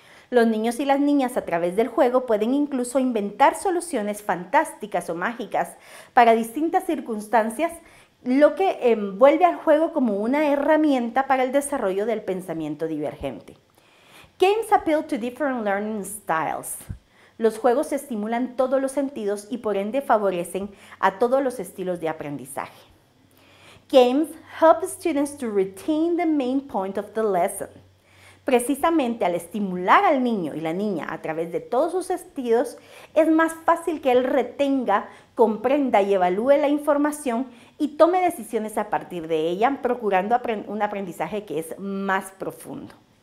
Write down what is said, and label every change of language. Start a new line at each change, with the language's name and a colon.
Spanish: Los niños y las niñas a través del juego pueden incluso inventar soluciones fantásticas o mágicas para distintas circunstancias, lo que envuelve al juego como una herramienta para el desarrollo del pensamiento divergente.
English: Games appeal to different learning styles.
Spanish: Los juegos estimulan todos los sentidos y por ende favorecen a todos los estilos de aprendizaje.
English: Games help students to retain the main point of the lesson.
Spanish: Precisamente al estimular al niño y la niña a través de todos sus sentidos, es más fácil que él retenga, comprenda y evalúe la información y tome decisiones a partir de ella, procurando un aprendizaje que es más profundo.